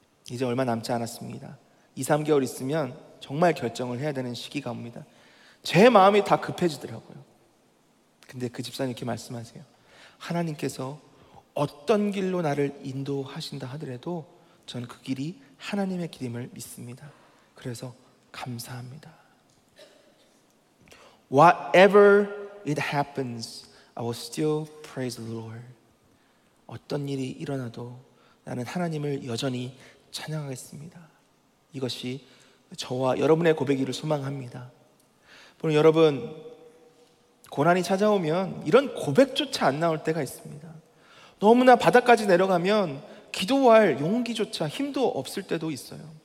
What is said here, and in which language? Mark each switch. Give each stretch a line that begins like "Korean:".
Korean: 이제 얼마 남지 않았습니다. 2, 3개월 있으면 정말 결정을 해야 되는 시기가 옵니다. 제 마음이 다 급해지더라고요. 근데 그 집사님 이렇게 말씀하세요. 하나님께서 어떤 길로 나를 인도하신다 하더라도 전 그 길이 하나님의 길임을 믿습니다. 그래서 감사합니다.
English: Whatever it happens, I will still praise the Lord.
Korean: 어떤 일이 일어나도 나는 하나님을 여전히 찬양하겠습니다. 이것이 저와 여러분의 고백이기를 소망합니다. 여러분, 고난이 찾아오면 이런 고백조차 안 나올 때가 있습니다. 너무나 바닥까지 내려가면 기도할 용기조차 힘도 없을 때도 있어요.